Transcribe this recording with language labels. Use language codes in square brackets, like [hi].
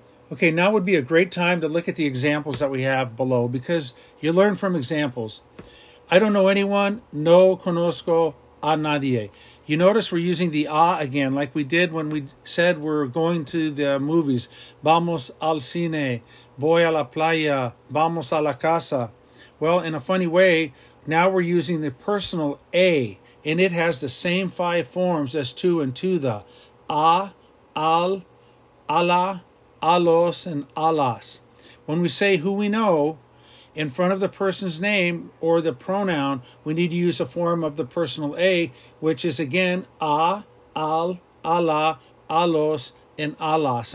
[en] Okay, now would be a great time to look at the examples that we have below, because you learn from examples. I don't know anyone, [es] no conozco a nadie. [en] You notice we're using the a again, like we did when we said we're going to the movies. [es] Vamos al cine, voy a la playa, vamos a la casa. [en] Well, in a funny way, now we're using the personal a, and it has the same five forms as to and to the a, al, ala, alos, and alas. When we say who we know in front of the person's name or the pronoun, we need to use a form of the personal a, which is again a, al, ala, alos, and alas.